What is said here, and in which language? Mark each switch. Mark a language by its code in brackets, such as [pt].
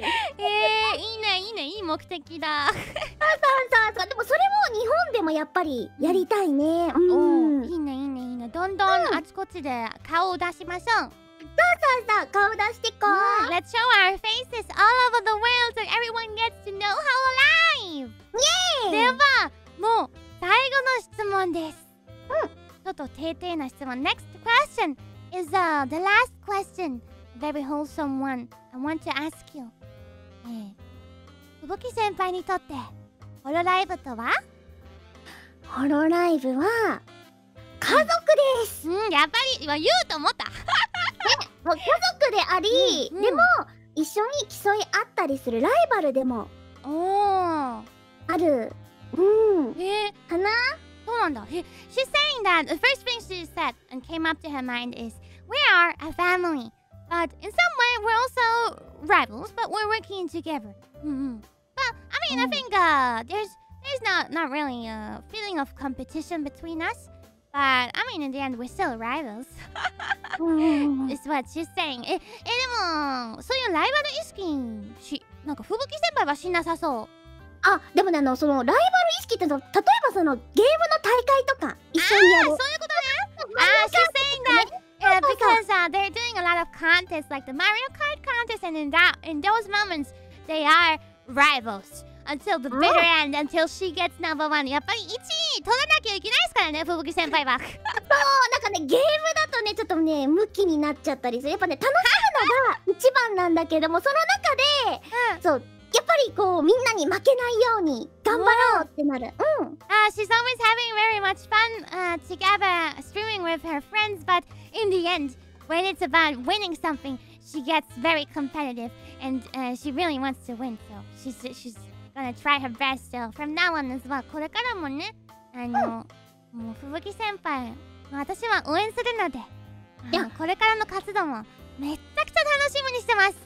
[ja] いいね、いいね、いい目的だ。そうそうそう、でもそれも日本でもやっぱりやりたいね。うん、いいね、いいね、いいね、どんどんあちこちで顔を出しましょう。そうそうそう、顔を出してこう。 [en] Let's show our faces all over the world so everyone gets to know HoloLive! [ja] では、もう最後の質問です。うん。ちょっと丁寧な質問。 [en] Next question is the last question. Very wholesome one. I want to ask you. [ja] Fubuki senpai にとってホロライブとは？ホロライブは家族です。うん、やっぱり言うと思った。もう家族であり、うん、でも、うん、一緒に競い合ったりするライバルでもある。うん。かな？そうなんだ。 [en] She's saying that the first thing she said and came up to her mind is we are a family. But in some way, we're also rivals, but we're working together. But, I mean, I think there's not really a feeling of competition between us. But, I mean, in the end, we're still rivals. It's what she's saying. [ja] でも、そういうライバル意識、なんか、吹雪先輩はしなさそう。あ、でもね、そのライバル意識ってのは、例えばそのゲームの大会とか一緒にやる。あ、そういうことね。あ、 [en] she's saying that. Because they're doing a lot of contests, like the Mario Kart contest, and in those moments, they are rivals until the bitter end, until she gets number one. [ja] やっぱり1位取らなきゃいけないですからね、吹雪先輩は。そう、なんかね、ゲームだとね、ちょっとね、ムキになっちゃったりする。やっぱね、楽しむのが一番なんだけども、その中で、そう、やっぱりこう、みんなに負けないように頑張ろうってなる。うん。 [en] She's always having very much fun together streaming with her friends, butIn the end, when it's about winning something, she gets very competitive and she really wants to win. So she's gonna try her best. So from now on as well, [ja] これからもね、もう吹雪先輩、私は応援するので、これからの活動もめちゃくちゃ楽しみにしてます。